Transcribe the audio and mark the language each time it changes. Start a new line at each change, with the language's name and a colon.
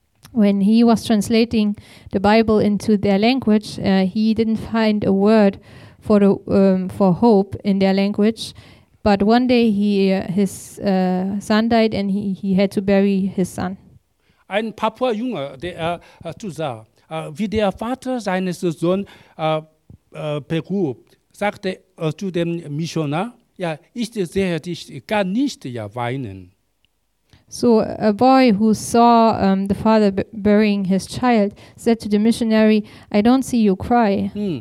English: When he was translating the Bible into their language, he didn't find a word for the for hope in their language. But one day his son died and he had to bury his son.
German: Ein Papua-Junge, der zusah, wie der Vater seines Sohns begrub, sagte zu dem Missionar, ich sehe dich gar nicht weinen.
English: So a boy who saw the father burying his child said to the missionary, I don't see you cry.